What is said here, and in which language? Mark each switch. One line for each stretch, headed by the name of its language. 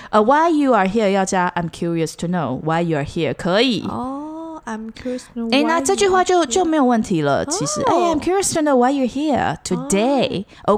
English: Why you are here 要加 I'm curious to know why you are here，可以哦。I'm curious to know why。
Chinese: 欸，那这句话就没有问题了，其实，oh.
English: I'm curious to know why you're here today，oh.